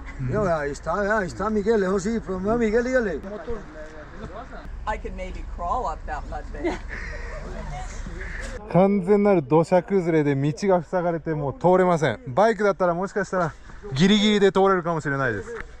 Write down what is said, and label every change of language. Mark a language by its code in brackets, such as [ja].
[es] No, está Miguel, lejos sí, pero no, Miguel, dígale. [en] I could maybe crawl up that mud bed. [ja] 完全なる土砂崩れで道が塞がれてもう通れません。バイクだったらもしかしたらギリギリで通れるかもしれないです。